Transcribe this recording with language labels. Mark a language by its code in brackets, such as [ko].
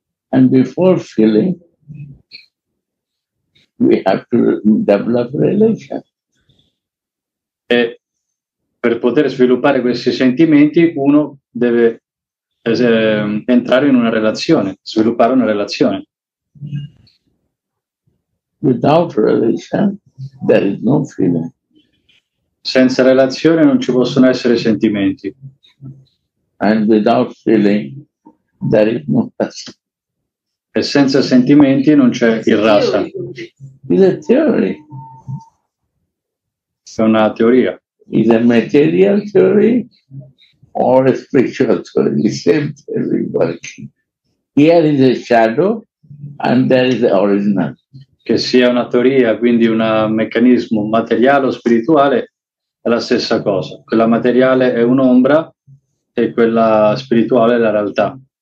[en] And before feeling, we have to develop relation. [it] E per poter sviluppare questi sentimenti, uno deve entrare in una relazione, sviluppare una relazione. [en] Without relation, there is no feeling. [it] Senza relazione non ci possono essere sentimenti. [en] And without feeling, there is no rasa. [it] E senza sentimenti non c'è il rasa. [en] It's a theory. [it] È una teoria. [en] Is a material theory or a spiritual theory? The same theory working. Here is a shadow and there is the original. [it] Che sia una teoria, quindi un meccanismo materiale o spirituale, è la stessa cosa. Quella materiale è un'ombra e quella spirituale è la realtà.